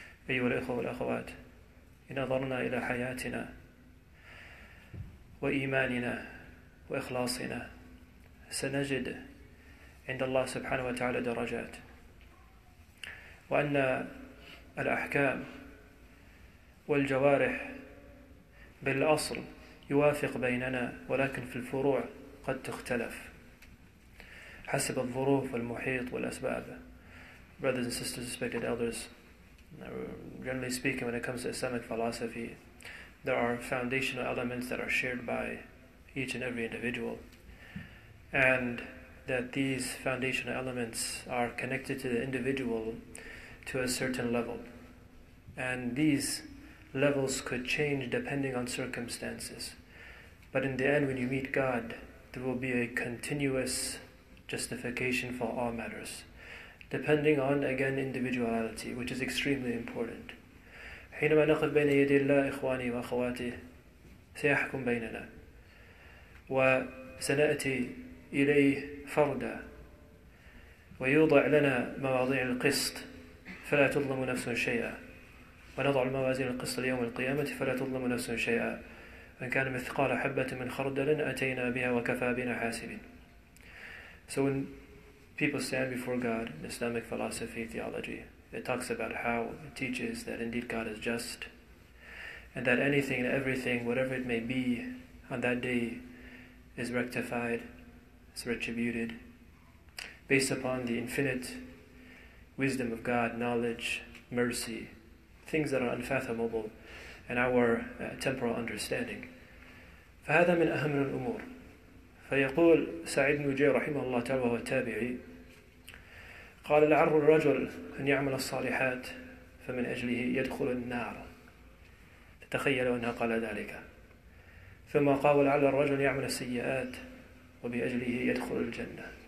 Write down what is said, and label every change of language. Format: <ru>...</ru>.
<ar>أيها الأخوة والأخوات، إن نظرنا إلى حياتنا وإيماننا وإخلاصنا سنجد عند الله سبحانه وتعالى درجات، وأن الأحكام والجوارح بالأصل يوافق بيننا، ولكن في الفروع قد تختلف حسب الظروف والمحيط والأسباب.</ar> <en>Brothers and sisters, respected elders, generally speaking, when it comes to Islamic philosophy, there are foundational elements that are shared by each and every individual, and that these foundational elements are connected to the individual to a certain level, and these levels could change depending on circumstances. But in the end, when you meet God, there will be a continuous justification for all matters, depending on, again, individuality, which is extremely important.</en> <ar>حينما نقف بين يدي الله إخواني وأخواتي سيحكم بيننا وسنأتي إليه فردا ويوضع لنا مواضيع القسط فلا تظلم نفس شيئا ونضع الموازين القسط ليوم القيامة فلا تظلم نفس شيئا إن كان مثقال حبة من خردل أتينا بها وكفى بنا حاسبين.</ar> <en>So when people stand before God in Islamic philosophy, theology, it talks about how it teaches that indeed God is just, and that anything and everything, whatever it may be, on that day is rectified, is retributed, based upon the infinite wisdom of God, knowledge, mercy, things that are unfathomable in our temporal understanding.</en> <ar>فهذا من أهم الأمور. فيقول سعيد بن جبير رحمه الله تعالى وهو التابعي قال لعر الرجل أن يعمل الصالحات فمن أجله يدخل النار، تتخيلوا أنها قال ذلك، ثم قال لعل الرجل يعمل السيئات وبأجله يدخل الجنة.</ar>